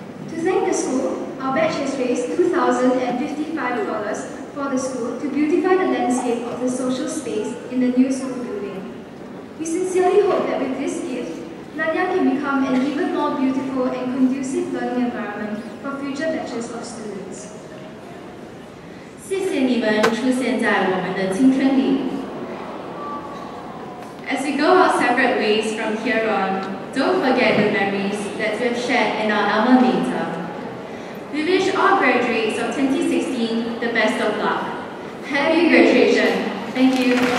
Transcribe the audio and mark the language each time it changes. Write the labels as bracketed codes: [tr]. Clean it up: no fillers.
[en] To thank the school, our batch has raised $2,055 for the school to beautify the landscape of the social space in the new school building. We sincerely hope that with this gift, Nanyang can become an even more beautiful and conducive learning environment for future batches of students. [zh] 谢谢你们出现在我们的青春里。 [en] As we go our separate ways from here on, don't forget the memories that we've shared in our alma mater. We wish all graduates of 2016 the best of luck. Happy graduation. Thank you.